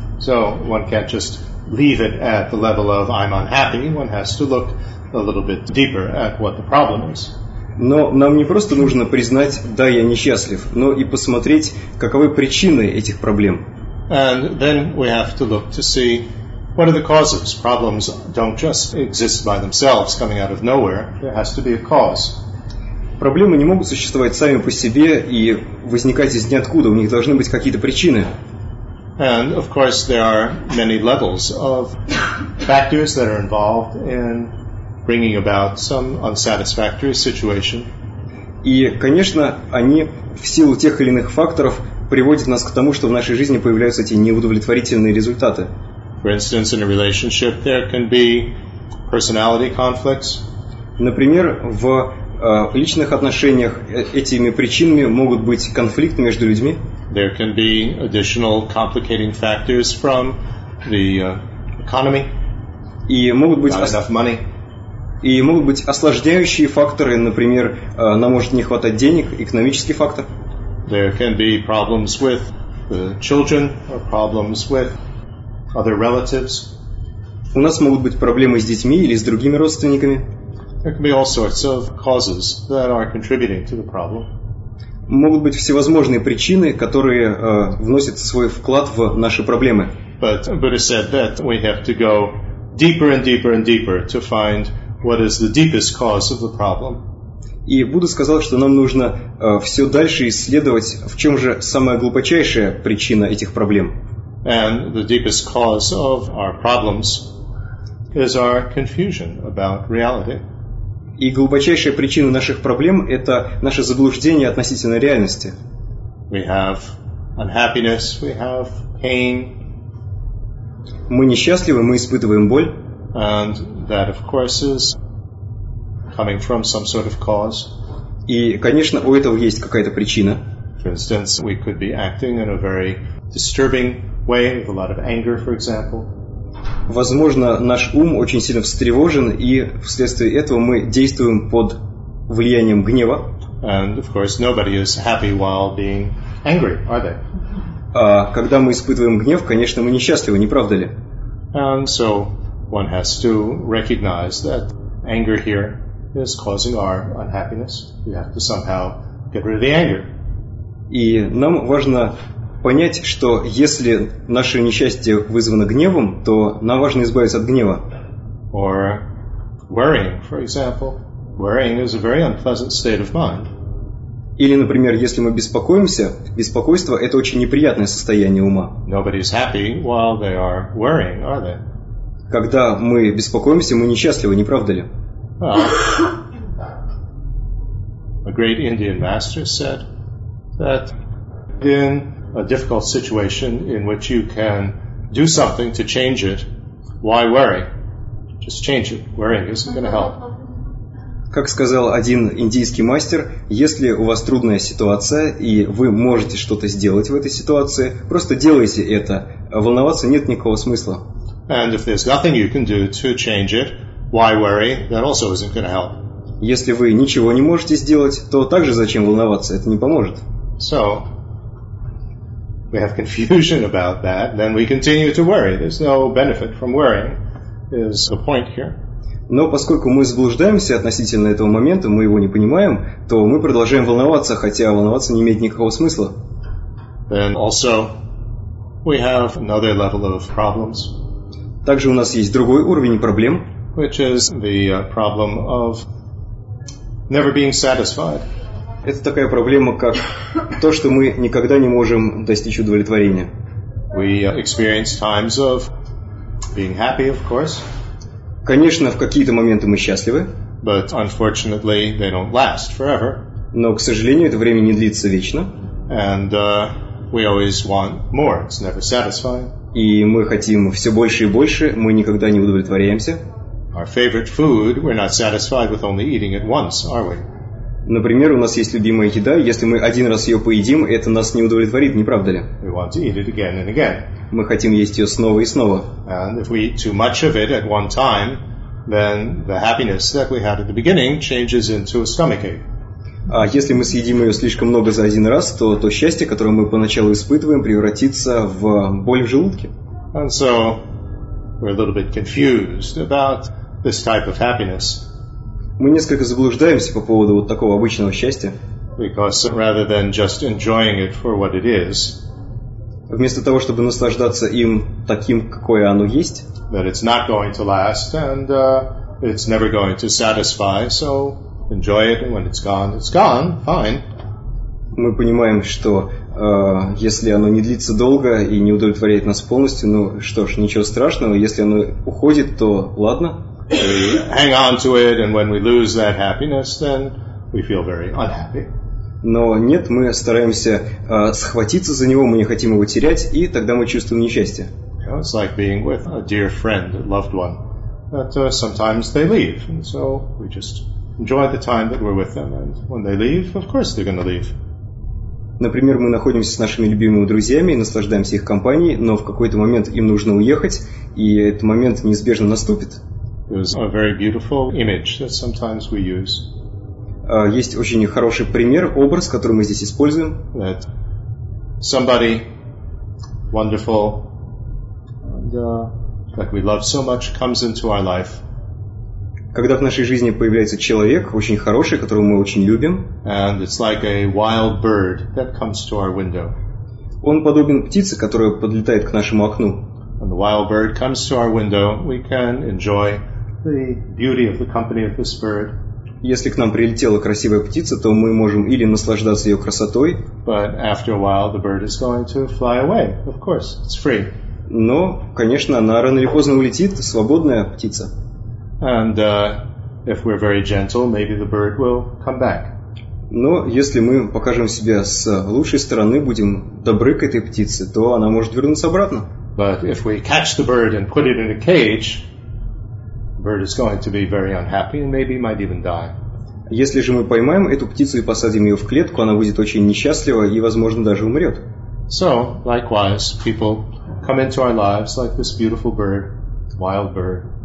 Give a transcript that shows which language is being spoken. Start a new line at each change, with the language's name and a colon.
English: So, one can't just leave it at the level of I'm unhappy. One has to look a little bit deeper at what the problem is.
Russian: Но нам не просто нужно признать, да, я несчастлив, но и посмотреть, каковы причины этих проблем.
English: And then we have to look to see what are the causes. Problems don't just exist by themselves coming out of nowhere. There has to be a cause.
Russian: Проблемы не могут существовать сами по себе и возникать из ниоткуда. У них должны быть какие-то причины.
English: And of course there are many levels of factors that are involved in bringing about some unsatisfactory situation.
Russian: И, конечно, они в силу тех или иных факторов приводят нас к тому, что в нашей жизни появляются эти неудовлетворительные результаты.
English: For instance, in a relationship, there can be personality conflicts.
Russian: Например, в личных отношениях этими причинами могут быть конфликты между людьми.
English: There can be additional complicating factors from the economy.
Russian: И могут быть
English: enough money.
Russian: И могут быть осложняющие факторы, например, нам может не хватать денег, экономический фактор.
English: There can be problems with the children or problems with other relatives.
Russian: У нас могут быть проблемы с детьми или с другими родственниками.
English: There can be all sorts of causes that are contributing to the problem.
Russian: Могут быть всевозможные причины, которые вносят свой вклад в наши проблемы.
English: But Buddha said that we have to go deeper and deeper and deeper to find what is the deepest cause of the problem.
Russian: И Будда сказал, что нам нужно все дальше исследовать, в чем же самая глубочайшая причина этих проблем.
English: And the deepest cause of our problems is our confusion about reality.
Russian: И глубочайшая причина наших проблем – это наше заблуждение относительно реальности.
English: We have unhappiness, we have pain.
Russian: Мы несчастливы, мы испытываем боль.
English: And that, of course, is coming from some sort of cause.
Russian: И, конечно, у этого есть какая-то причина.
English: For instance, we could be acting in a very disturbing way, with a lot of anger, for example.
Russian: Возможно, наш ум очень сильно встревожен, и вследствие этого мы действуем под влиянием гнева.
English: And, of course, nobody is happy while being angry, are they?
Russian: Когда мы испытываем гнев, конечно, мы несчастливы, не правда ли?
English: And so one has to recognize that anger here is causing our unhappiness. We have to somehow get rid of the anger.
Russian: И нам важно понять, что если наше несчастье вызвано гневом, то нам важно избавиться от гнева.
English: Or worrying, for example. Worrying is a very unpleasant state of mind.
Russian: Или, например, если мы беспокоимся, беспокойство – это очень неприятное состояние ума.
English: Nobody is happy while they are worrying, are they?
Russian: Когда мы беспокоимся, мы несчастливы, не правда ли?
English: A great Indian master said that in a difficult situation in which you can do something to change it, why worry? Just change it. Worrying isn't going to help.
Russian: Как сказал один индийский мастер, если у вас трудная ситуация и вы можете что-то сделать в этой ситуации, просто делайте это. Волноваться нет никакого смысла.
English: And if there's nothing you can do to change it, why worry? That also isn't going to help.
Russian: Если вы ничего не можете сделать, то также зачем волноваться? Это не поможет.
English: So, we have confusion about that, then we continue to worry. There's no benefit from worrying, is the point here.
Russian: Но поскольку мы заблуждаемся относительно этого момента, мы его не понимаем, то мы продолжаем волноваться, хотя волноваться не имеет никакого смысла.
English: Then also, we have another level of problems.
Russian: Также у нас есть другой уровень проблем,
English: which is the problem of never being satisfied.
Russian: Это такая проблема, как то, что мы никогда не можем достичь удовлетворения.
English: We experience times of being happy, of course.
Russian: Конечно, в какие-то моменты мы счастливы.
English: But unfortunately, they don't last forever.
Russian: Но, к сожалению, это время не длится вечно.
English: And we always want more. It's never satisfying.
Russian: И мы хотим все больше и больше, мы никогда не удовлетворяемся.
English: Our favorite food, we're not satisfied with only eating it once, are we?
Russian: Например, у нас есть любимая еда, если мы один раз ее поедим, это нас не удовлетворит, не правда ли?
English: We want to eat it again and again.
Russian: Мы хотим есть ее снова и снова.
English: And if we eat too much of it at one time, then the happiness that we had at the beginning changes into a stomachache.
Russian: А если мы съедим ее слишком много за один раз, то то счастье, которое мы поначалу испытываем, превратится в боль в желудке.
English: And so we're a little bit confused about this type of happiness.
Russian: Мы несколько заблуждаемся по поводу вот такого обычного счастья.
English: Because rather than just enjoying it for what it is,
Russian: вместо того, чтобы наслаждаться им таким, какое оно есть,
English: that it's not going to last and it's never going to satisfy, so enjoy it, and when it's gone, fine.
Russian: Мы понимаем, что если оно не длится долго и не удовлетворяет нас полностью, ну что ж, ничего страшного, если оно уходит, то ладно.
English: We hang on to it, and when we lose that happiness, then we feel very unhappy.
Russian: Но нет, мы стараемся схватиться за него, мы не хотим его терять, и тогда мы чувствуем несчастье. Yeah.
English: know, it's like being with a dear friend, a loved one, that sometimes they leave. And so we just enjoy the time that we're with them. And when they leave, of course they're going to leave.
Russian: Например, мы находимся с нашими любимыми друзьями и наслаждаемся их компанией, но в какой-то момент им нужно уехать, и этот момент неизбежно наступит.
English: There's a very beautiful image that sometimes we use.
Russian: Есть очень хороший пример, образ, который мы здесь используем.
English: That somebody wonderful and that we love so much comes into our life.
Russian: Когда в нашей жизни появляется человек очень хороший, которого мы очень любим,
English: and it's like a wild bird that comes to our window.
Russian: Он подобен птице, которая подлетает к нашему окну.
English: When the wild bird comes to our window, we can enjoy the beauty of the company of this bird.
Russian: Если к нам прилетела красивая птица, то мы можем или наслаждаться ее красотой,
English: but after a while the bird is going to fly away. Of course, it's free.
Russian: Но, конечно, она рано или поздно улетит, свободная птица.
English: And if we're very gentle, maybe the bird will come back.
Russian: Но если мы покажем себя с лучшей стороны, будем добры к этой птице, то она может вернуться обратно.
English: But if we catch the bird and put it in a cage, the bird is going to be very unhappy and maybe might even die.
Russian: Если же мы поймаем эту птицу и посадим ее в клетку, она будет очень несчастлива и, возможно, даже умрет.
English: So, likewise, people come into our lives like this beautiful bird, wild bird.